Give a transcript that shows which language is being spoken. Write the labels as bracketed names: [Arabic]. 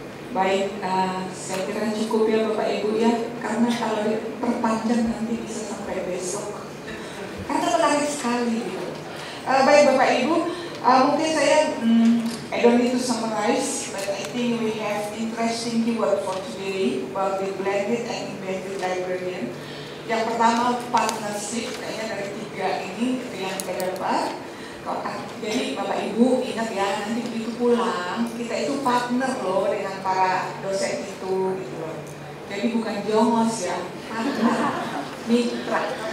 [Indonesian] Baik, saya kira cukup ya Bapak Ibu ya, karena kalau diperpanjang nanti bisa sampai besok. Karena menarik sekali. Baik Bapak Ibu, mungkin saya [English] I don't need to summarize, but I think we have interesting keyword for today about the blended and embedded librarian. [Indonesian] Yang pertama partnership, kayaknya dari tiga ini yang terdapat. Jadi Bapak Ibu ingat ya, nanti begitu pulang kita itu partner loh dengan para dosen itu gitu loh. Jadi bukan jongos ya, mitra.